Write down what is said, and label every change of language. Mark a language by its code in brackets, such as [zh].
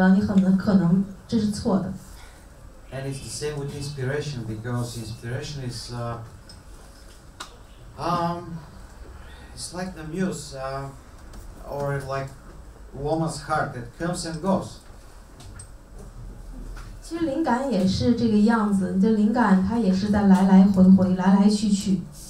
[zh] 其实人的一生都在找寻那个真实的自己，就如果现在你说你已经知道你是谁了，你很可能这是错的。 [en] And it's the same with inspiration, because inspiration is it's like the muse or like woman's heart that comes and goes. [zh] 其实灵感也是这个样子，你的灵感它也是在来来回回，来来去去。